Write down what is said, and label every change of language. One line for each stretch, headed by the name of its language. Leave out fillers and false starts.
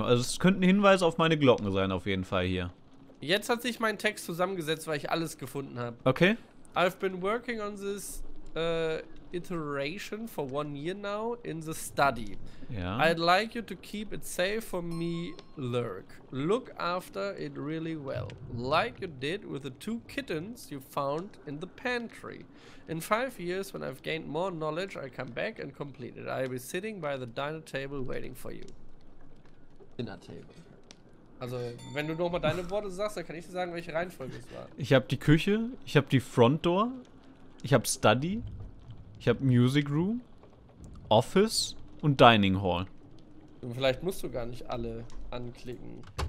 German: Also es könnten Hinweise auf meine Glocken sein, auf jeden Fall hier. Jetzt hat sich mein Text zusammengesetzt, weil ich alles gefunden habe. Okay.
English: I've been working on this iteration for 1 year now in the study.
German: Ja.
English: I'd like you to keep it safe for me, Lurk. Look after it really well. Like you did with the 2 kittens you found in the pantry. In 5 years, when I've gained more knowledge, I come back and complete it. I'll be sitting by the dinner table waiting for you. Dinner table.
German: Also, wenn du nochmal deine Worte sagst, dann kann ich dir sagen, welche Reihenfolge es war. Ich hab die Küche, ich hab die Front Door, ich hab Study, ich hab Music Room, Office und Dining Hall. Und vielleicht musst du gar nicht alle anklicken.